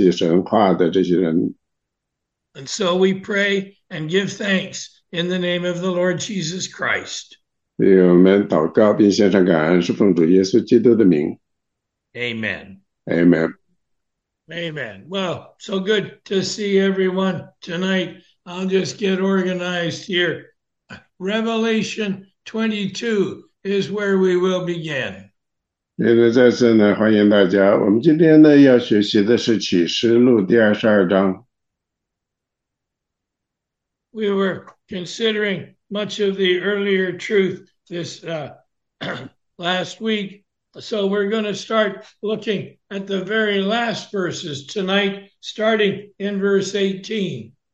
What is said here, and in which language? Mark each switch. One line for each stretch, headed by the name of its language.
English: And so we pray and give thanks in the name of the Lord Jesus Christ.
Chinese: 所以我们祷告并献上感恩，是奉主耶稣基督的名。
English: Amen. Amen. Amen. Well, so good to see everyone tonight. I'll just get organized here. Revelation 22 is where we will begin.
Chinese: 现在再次呢，欢迎大家。我们今天呢要学习的是启示录第22章。
English: We were considering much of the earlier truth this last week, so we're going to start looking at the very last verses tonight, starting in verse 18.